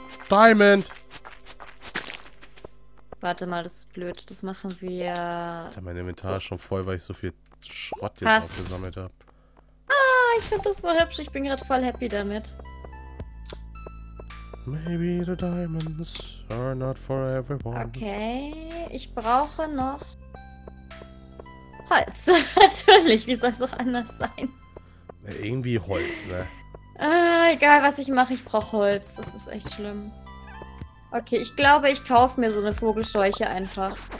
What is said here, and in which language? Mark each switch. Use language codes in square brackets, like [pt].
[en] Diamond! [de] Warte mal, das ist blöd. Das machen wir... Alter, mein Inventar ist schon voll, weil ich so viel Schrott jetzt aufgesammelt habe. Ah, ich finde das so hübsch. Ich bin gerade voll happy damit. [en] Maybe the diamonds are not for everyone. [de] Okay, ich brauche noch Holz. Natürlich, wie soll es auch anders sein? Irgendwie Holz, ne? Egal, was ich mache, ich brauche Holz. Das ist echt schlimm. Okay, ich glaube, ich kaufe mir so eine Vogelscheuche einfach.